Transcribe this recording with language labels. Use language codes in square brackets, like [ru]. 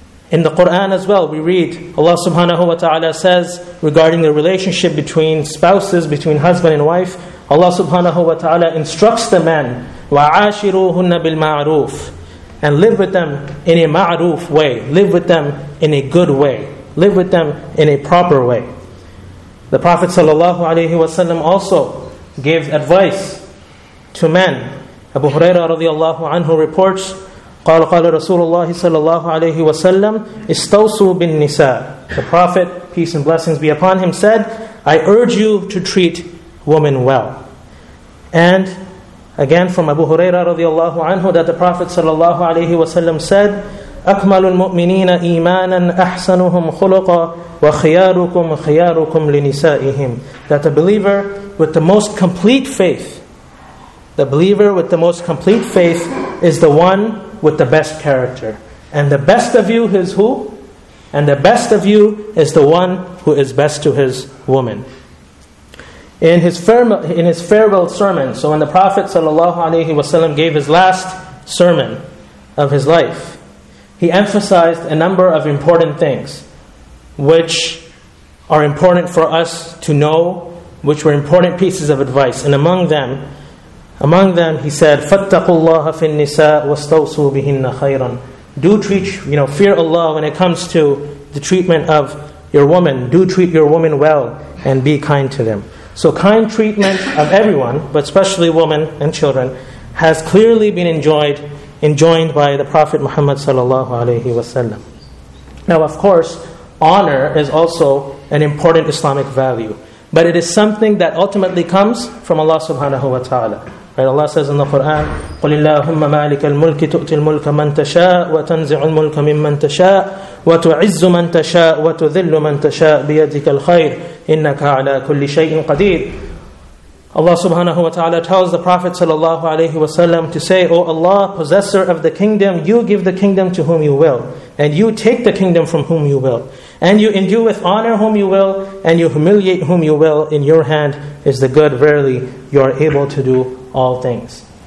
[en] In the Quran as well, we read Allah subhanahu wa ta'ala says regarding the relationship between spouses, between husband and wife, Allah subhanahu wa ta'ala instructs the men, [ar] وَعَاشِرُوهُنَّ بِالْمَعْرُوفِ, [en] and live with them in a ma'roof way. Live with them in a good way. Live with them in a proper way. The Prophet sallallahu alaihi wasallam also gave advice to men. Abu Huraira radiallahu anhu reports, [ar] قَالَ رَسُولُ اللَّهِ عَلَيْهِ وَسَلَّمُ اِسْتَوْسُوا بِالنِّسَاءِ. [en] The Prophet, peace and blessings be upon him, said, I urge you to treat women well. And again from Abu Huraira radiallahu anhu, that the Prophet sallallahu alayhi wasallam said, [ar] أَكْمَلُ الْمُؤْمِنِينَ إِيمَانًا أَحْسَنُهُمْ خُلُقًا وَخِيَارُكُمْ خِيَارُكُمْ لِنِسَائِهِمْ. [en] That the believer with the most complete faith, the believer with the most complete faith is the one with the best character. And the best of you is who? And the best of you is the one who is best to his woman. In his farewell sermon, so when the Prophet ﷺ gave his last sermon of his life, he emphasized a number of important things which are important for us to know, which were important pieces of advice. And among them, he said, [ar] فَاتَّقُوا اللَّهَ فِي النِّسَاءِ وَاسْتَوْصُوا بِهِنَّ خَيْرًا. [en] Do treat, you know, fear Allah when it comes to the treatment of your woman. Do treat your woman well and be kind to them. So kind treatment of everyone, but especially women and children, has clearly been enjoined by the Prophet Muhammad sallallahu alaihi wasallam. Now, of course, honor is also an important Islamic value. But it is something that ultimately comes from Allah subhanahu wa ta'ala. Right? Allah says in the Quran, [ar] قُلِ اللَّهُمَّ مَالِكَ الْمُلْكِ تُؤْتِي الْمُلْكَ مَنْ تَشَاءُ وَتَنْزِعُ الْمُلْكَ مِمَّنْ تَشَاءُ وَتُعِزُّ مَنْ تَشَاءُ وَتُذِلُّ مَنْ تَشَاءُ بِيَدِكَ الْخَيْرِ إِنَّكَ عَلَى كُلِّ شَيْءٍ قَدِيرٌ. [en] Allah subhanahu wa ta'ala tells the Prophet sallallahu alayhi wa sallam to say, O Allah, possessor of the kingdom, you give the kingdom to whom you will, and you take the kingdom from whom you will, and you endue with honor whom you will, and you humiliate whom you will. In your hand is the good. Verily, you are able to do all things.